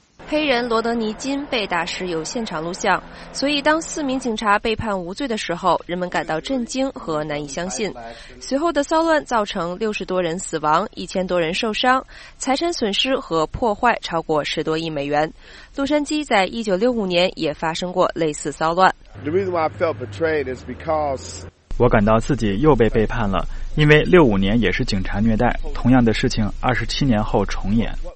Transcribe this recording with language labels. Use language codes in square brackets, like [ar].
[zh] 黑人罗德尼金被打时有现场录像，所以当四名警察被判无罪的时候，人们感到震惊和难以相信。随后的骚乱造成60多人死亡，1000多人受伤，财产损失和破坏超过10多亿美元。洛杉矶在1965年也发生过类似骚乱。 [en] The reason why I felt betrayed is because... [zh] 我感到自己又被背叛了，因为65年也是警察虐待，同样的事情27年后重演。